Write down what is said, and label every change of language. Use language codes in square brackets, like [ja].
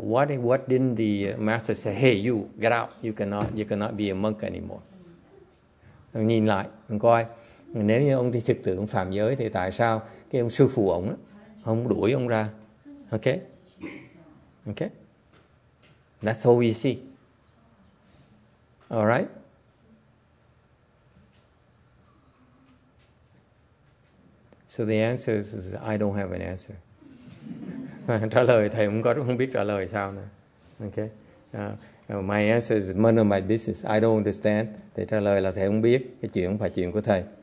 [en] What didn't the master say, hey, you get out, you cannot be a monk anymore? [vi] ông nhìn lại, ông coi. Nếu như ông đi thực tưởng phạm giới thì tại sao cái ông sư phụ ông không đuổi ông ra? [en] Ok? Ok? That's all we see. All right? So the answer is I don't have an answer. [vi] Trả lời thầy cũng có không biết trả lời sao nữa. [en] Okay. My answer is none of my business. I don't understand. [vi] Thầy trả lời là thầy không biết, cái chuyện không phải chuyện của thầy.